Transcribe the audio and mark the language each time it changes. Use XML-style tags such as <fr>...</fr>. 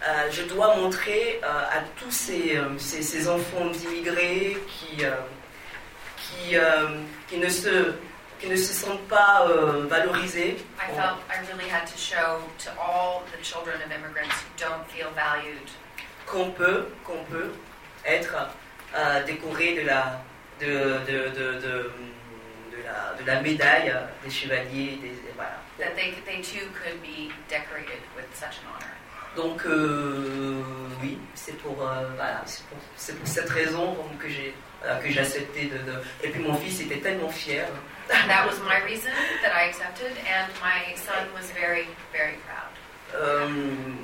<fr>je dois montrer à tous ces enfants d'immigrés qui ne se sentent pas valorisés.</fr> <en>I felt I really had to show to all the children of immigrants who don't feel valued.</en> <fr>Qu'on peut être décoré de la médaille des chevaliers des voilà.</fr> <en>That they too could be decorated with such an honor.</en> <fr>Donc oui, c'est pour cette raison que j'ai accepté de et puis mon fils était tellement fier.</fr> <en>That was my reason that I accepted, and my son was very very proud.</en>